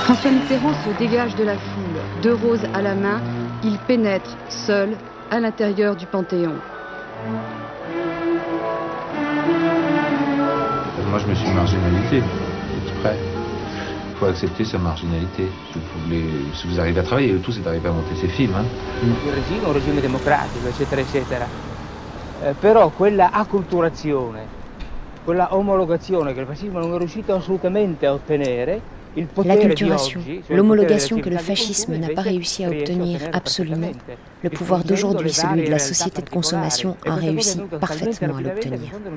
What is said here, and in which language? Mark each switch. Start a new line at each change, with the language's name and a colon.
French: François Mitterrand se dégage de la foule, deux roses à la main, il pénètre seul à l'intérieur du Panthéon. Moi, je me suis marginalisé, exprès. Il faut accepter sa marginalité. Vous pouvez, si vous arrivez à travailler, tout c'est d'arriver à monter ses films. Un régime, démocratique, etc., etc.
Italian: Però quella acculturazione, quella omologazione che il fascismo non è riuscito assolutamente a ottenere.
French: L'acculturation, l'homologation que le fascisme n'a pas réussi à obtenir absolument, le pouvoir d'aujourd'hui, celui de la société de consommation, a réussi parfaitement à l'obtenir.